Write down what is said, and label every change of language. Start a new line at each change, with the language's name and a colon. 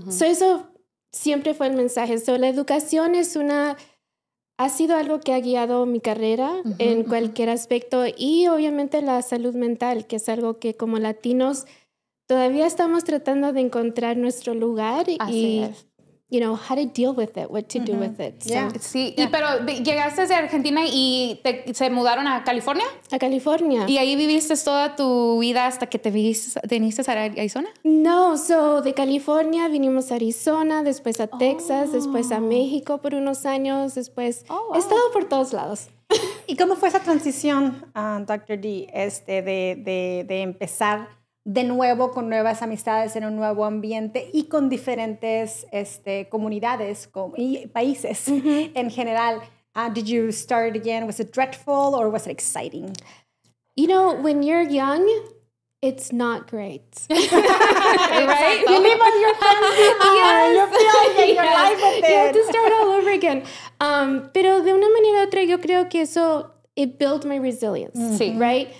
Spanish: Eso siempre fue el mensaje. So, la educación es una... Ha sido algo que ha guiado mi carrera en cualquier aspecto, y obviamente la salud mental, que es algo que como latinos todavía estamos tratando de encontrar nuestro lugar. Así y es.
English: You know, how to deal with it, what to do with it. Yeah.
Spanish: So, sí, yeah. Y pero llegaste de Argentina y se mudaron a California. A California. ¿Y ahí viviste toda tu vida hasta que te viniste a Arizona? No, so de California vinimos a Arizona, después a Texas, después a México por unos años, después he estado por todos lados. ¿Y cómo fue esa transición, Dr. D, de empezar de nuevo con nuevas amistades en un nuevo ambiente y con diferentes comunidades y países en general?
English: Did you start again? Was it dreadful or was it exciting? You know, when you're young, it's not great. Right? You live on your friends. Yes. You feel like your life with it. You have to start all over again.
Spanish: Pero de una manera u otra, yo creo que eso,
English: it built my resilience, right?